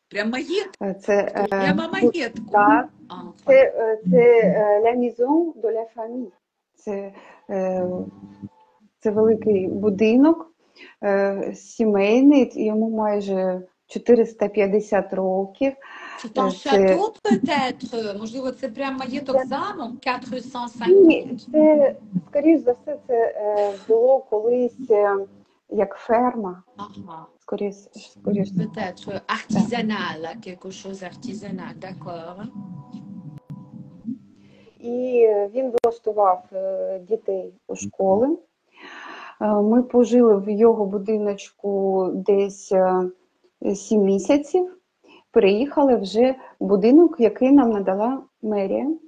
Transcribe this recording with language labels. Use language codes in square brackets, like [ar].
[uk] Прямо маєтку? Це, прямо маєтку? Так. Це [fr] «la maison de la famille». [uk] Це великий будинок сімейний, йому майже 450 років. Це [fr] «château» peut-être? [uk] Можливо, це прямо маєток замок? 450? Це, скоріш за все, це було колись як ферма. Ага. Скоріш. [fr] Peut-être artisanal, quelque chose artisanal, d'accord. [uk] І він влаштував дітей у школи. Ми пожили в його будиночку десь 7 місяців. Приїхали вже в будинок, який нам надала мерія.